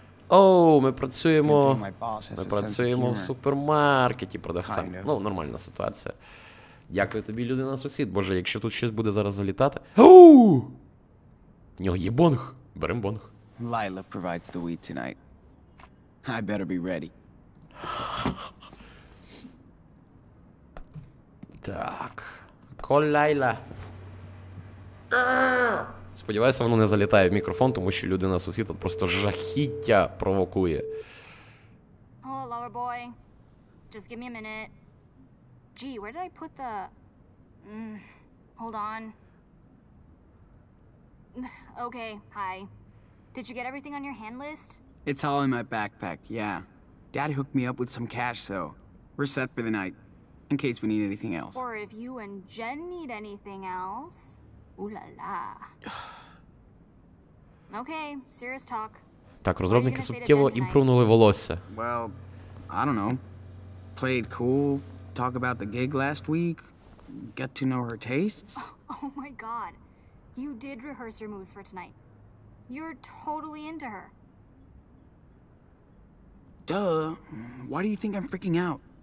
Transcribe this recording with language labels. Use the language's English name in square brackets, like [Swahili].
[Ukrainian] Оу, ми працюємо в супермаркеті продавцем. [English] Kind of. [Ukrainian] Ну, нормальна ситуація. Дякую тобі, людина-сусід. Боже, якщо тут щось буде зараз залітати... Оу! В нього є бонг. Берем бонг. [English] Лайла provides the weed tonight. I better be ready. [Ukrainian] Так. Кол Лайла. Сподіваюся, воно не залітає в мікрофон, тому що людина сусід тут просто жахіття провокує. [English] О, lover boy. Just give me a minute. Gee, where did I put the... hold on. Okay, hi. Did you get everything on your hand list? It's all in my backpack, yeah. Dad hooked me up with some cash, so... We're set for the night. In case we need anything else. Or if you and Jen need anything else... Ooh la la. Okay, serious talk. [Ukrainian] Так, розробники суттєво імпрувнули волосся. [English] Well, I don't know. Played cool. Talk about the gig last week. Get to know her tastes. Oh, oh my god. You did rehearse your moves for tonight. You're totally into her. Duh. Why do you think I'm freaking out?